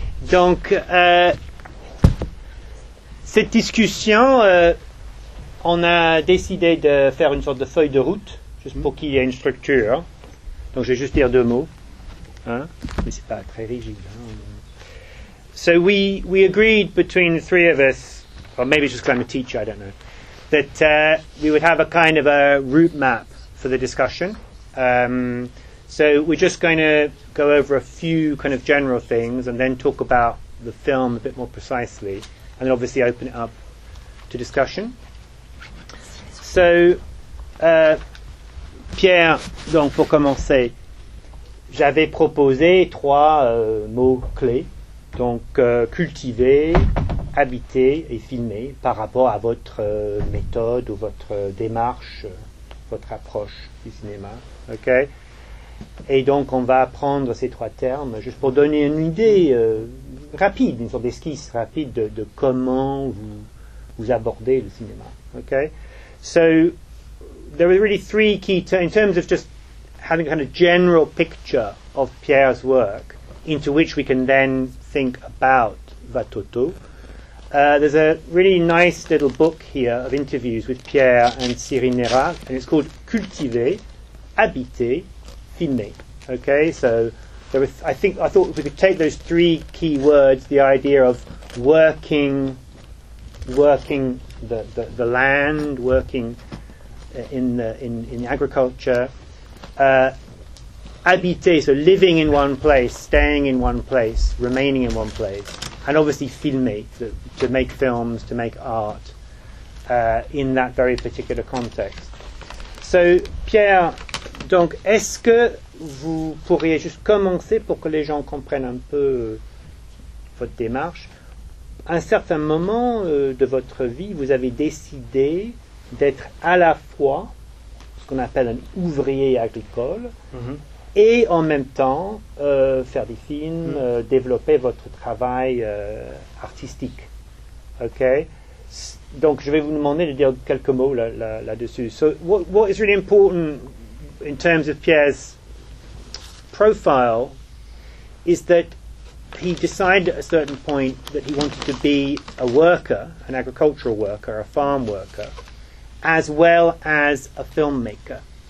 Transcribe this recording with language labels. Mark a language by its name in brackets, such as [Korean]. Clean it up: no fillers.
[French] Donc, cette discussion, on a décidé de faire une sorte de feuille de route, juste pour qu'il y ait une structure. Donc, je vais juste dire deux mots. Hein? Mais c'est pas très rigide. Hein? [English] So we agreed between the three of us, or maybe just because I'm a teacher, I don't know, that we would have a kind of a route map for the discussion. So we're just going to go over a few kind of general things and then talk about the film a bit more precisely, and then obviously open it up to discussion. So, [French] Pierre, donc pour commencer, j'avais proposé trois mots clés. Donc, cultiver, habiter et filmer par rapport à votre méthode ou votre démarche, votre approche du cinéma. Okay? Et donc, on va prendre ces trois termes juste pour donner une idée rapide, une sorte d'esquisse rapide de comment vous abordez le cinéma. [English] Okay? So, there are really three key terms, in terms of just having a kind of general picture of Pierre's work, into which we can then think about Vatoto. There's a really nice little book here of interviews with Pierre and Cyril Nera, and it's called Cultiver, Habiter, Filmer. Okay, so there was, I thought if we could take those three key words, the idea of working the land, working in agriculture, habiter, so living in one place, staying in one place, remaining in one place, and obviously filmer, to make films, to make art, in that very particular context. [French] So, Pierre, donc, est-ce que vous pourriez juste commencer, pour que les gens comprennent un peu votre démarche, à un certain moment de votre vie, vous avez décidé d'être à la fois ce qu'on appelle un ouvrier agricole, et en même temps, faire des films, développer votre travail artistique. OK? Donc, je vais vous demander de dire quelques mots là-dessus. [English] So, what is really important in terms of Pierre's profile is that he decided at a certain point that he wanted to be a worker, an agricultural worker, a farm worker, as well as a filmmaker.